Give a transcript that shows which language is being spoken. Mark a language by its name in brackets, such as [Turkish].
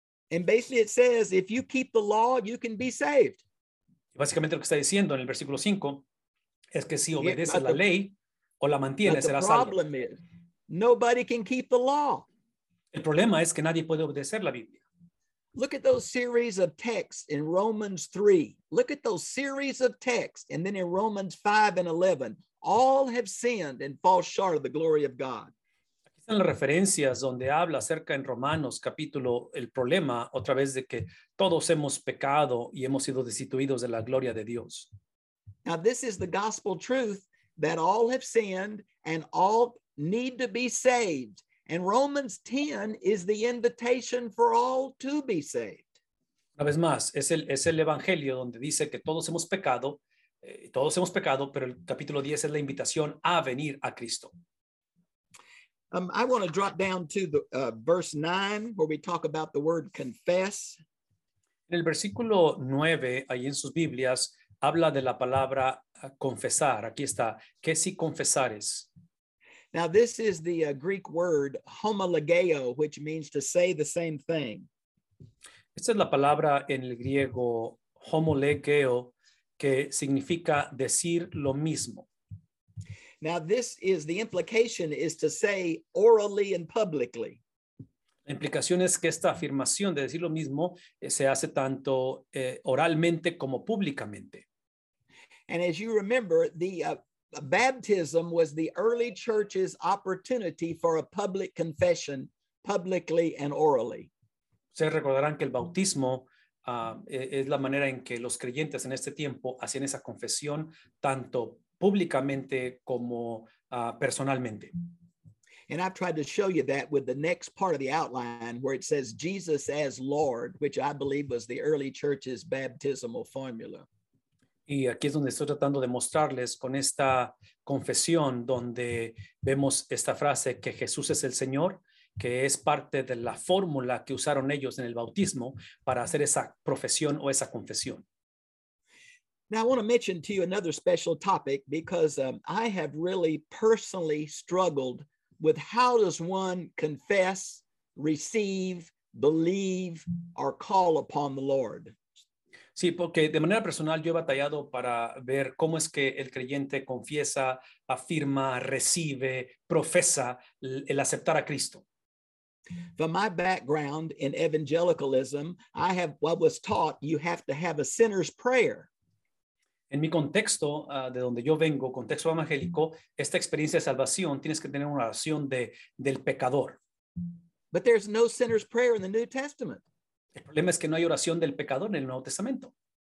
[English] And basically it says, if you keep the law, you can be saved. [Spanish] Básicamente lo que está diciendo en el versículo 5 es que si obedeces la ley o la mantienes, serás salvo. [English] The problem is, nobody can keep the law. [Spanish] El problema es que nadie puede obedecer la Biblia. [English] Look at those series of texts in Romans 3. Look at those series of texts. And then in Romans 5 and 11, all have sinned and fall short of the glory of God. [Spanish] Aquí están las referencias donde habla acerca en Romanos capítulo el problema otra vez de que todos hemos pecado y hemos sido destituidos de la gloria de Dios. [English] Now this is the gospel truth that all have sinned and all need to be saved. And Romans 10 is the invitation for all to be saved. [Spanish] Una vez más, es el evangelio donde dice que todos hemos pecado, pero el capítulo 10 es la invitación a venir a Cristo. [English] I want to drop down to the verse 9 where we talk about the word confess. [Spanish] En el versículo 9, ahí en sus Biblias, habla de la palabra confesar. Aquí está, que si confesares. [English] Now this is the Greek word homologeo, which means to say the same thing. [Spanish] Esta es la palabra en el griego homologeo, que significa decir lo mismo. [English] Now this is the implication is to say orally and publicly. [Spanish] La implicación es que esta afirmación de decir lo mismo se hace tanto oralmente como públicamente. [English] And as you remember, the baptism was the early church's opportunity for a public confession, publicly and orally. [Spanish] Ustedes recordarán que el bautismo es la manera en que los creyentes en este tiempo hacían esa confesión, tanto públicamente como personalmente. [English] And I've tried to show you that with the next part of the outline where it says Jesus as Lord, which I believe was the early church's baptismal formula. [Spanish] Y aquí es donde estoy tratando de mostrarles con esta confesión donde vemos esta frase que Jesús es el Señor, que es parte de la fórmula que usaron ellos en el bautismo para hacer esa profesión o esa confesión. [English] Now I want to mention to you another special topic because I have really personally struggled with how does one confess, receive, believe, or call upon the Lord. [Spanish] Sí, porque de manera personal yo he batallado para ver cómo es que el creyente confiesa, afirma, recibe, profesa el aceptar a Cristo. [English] From my background in evangelicalism, I have what was taught you have to have a sinner's prayer. [Spanish] En mi contexto, de donde yo vengo, contexto evangélico, esta experiencia de salvación tienes que tener una oración del pecador. [English] But there's no sinner's prayer in the New Testament. [Spanish] El problema es que no hay oración del pecador en el Nuevo Testamento.